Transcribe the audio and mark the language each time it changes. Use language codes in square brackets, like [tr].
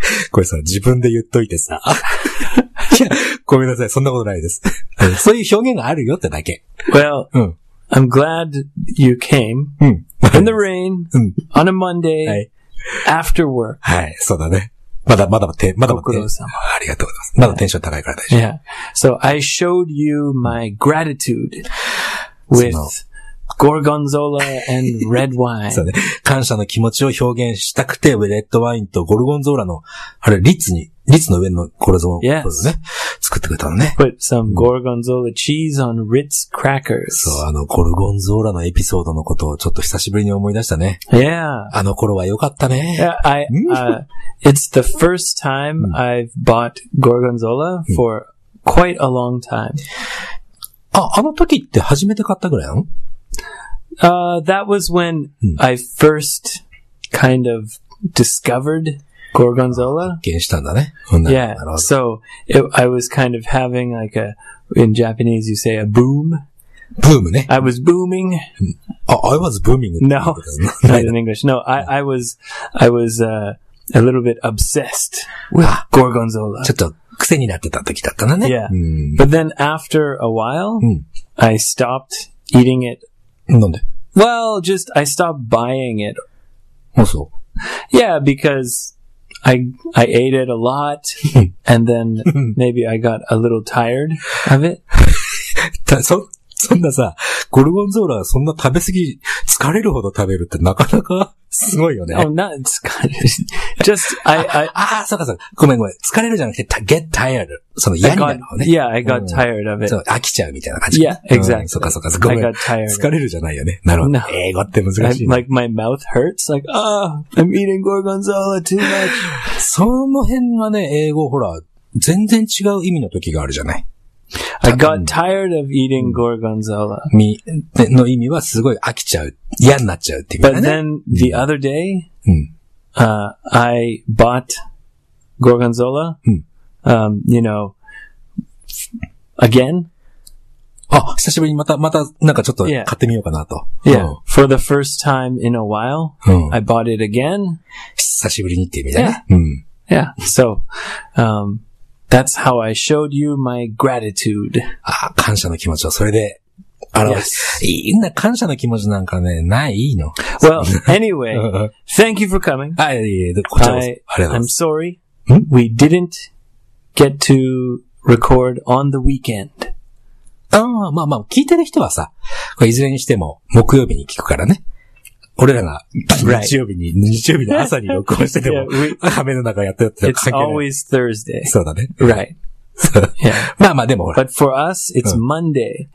[ja] これさ、自分で言っといてさ。いや、ごめんなさい、そんなことないです。そういう表現があるよってだけ。 [en] Well,、うん、I'm glad you came、 [ja] うん、 [en] in the rain,、 [ja] うん、 [en] on a Monday,、 [ja] はい、 [en] after work. [ja] はい、そうだね。まだ、ありがとうございます。 [en] Yeah. [ja] まだテンション高いから大丈夫。 [en] Yeah. So, I showed you my gratitude with Gorgonzola and red wine. [ja] そうね。感謝の気持ちを表現したくて、レッドワインとゴルゴンゾーラの、あれ、リッツの上のゴルゴンゾーラをね、 [en] yes. [ja] 作ってくれたのね。 [en] Put some Gorgonzola cheese on Ritz crackers. [ja] そう、あの、ゴルゴンゾーラのエピソードのことをちょっと久しぶりに思い出したね。 [en] Yeah. [ja] あの頃は良かったね。 [en] Yeah, It's the first time I've bought Gorgonzola for quite a long time. [ja] あ、あの時って初めて買ったぐらいなの？ [en] That was when I first kind of discovered Gorgonzola. [ja] 発見したんだね。 [en] Yeah, so I was kind of having like a, in Japanese you say a boom. [ja] Boom, ね。 [en] I was booming. I was booming. No, not in English. No, I was a little bit obsessed with Gorgonzola. [ja] ちょっと癖になってた時だったのね。 [en] Yeah. But then after a while, I stopped eating it. [ja] なんで? [en] Well, just I stopped buying it. [ja] あ、そう。 [en] Yeah, because I ate it a lot, and then maybe I got a little tired of it. [ja] そんなさ、ゴルゴンゾーラそんな食べ過ぎ、疲れるほど食べるってなかなかすごいよね。 [en] Oh, not 疲れる。Just, I, [ja] ああ、そうかそうか。ごめんごめん。疲れるじゃなくて、 [en] get tired. [ja] その嫌になるのね。 [en] Yeah, I got tired of it. [ja] そう、飽きちゃうみたいな感じ。 [en] Yeah, exactly. [ja] そうかそうか。ごめん。 [en] I got tired. [ja] 疲れるじゃないよね。なるほど。No. 英語って難しい、ね。 [en] Like, my mouth hurts. Like, ah, I'm eating gorgonzola too much. [ja] その辺はね、英語ほら、全然違う意味の時があるじゃない。 [en] I got tired of eating gorgonzola. [ja] みの意味はすごい飽きちゃう、嫌になっちゃうっていう意味だね。 [en] But then the other day, I bought gorgonzola. You know, again. [ja] あ、久しぶりにまたなんかちょっと買ってみようかなと。 [en] Yeah. For the first time in a while, I bought it again. [ja] 久しぶりにっていう意味だね。 [en] Yeah. Yeah. So, That's how I showed you my gratitude. [ja] あ、感謝の気持ちをそれで表す。Yes. いいな、感謝の気持ちなんかね、ない、いいの。 [en] Well, anyway, thank you for coming. [ja] はい、こちらです。ありがとうございます。 [en] I'm sorry. We didn't get to record on the weekend. [ja] ああ、まあまあ、聞いてる人はさ、これいずれにしても木曜日に聞くからね。俺らが日曜日の朝に録音してても yeah, 雨の中やってたって関係ない。 [en] It's always Thursday. [ja] そうだね。 [en] Right. [ja] Yeah. まあまあでもほら。 [en] But for us, it's Monday.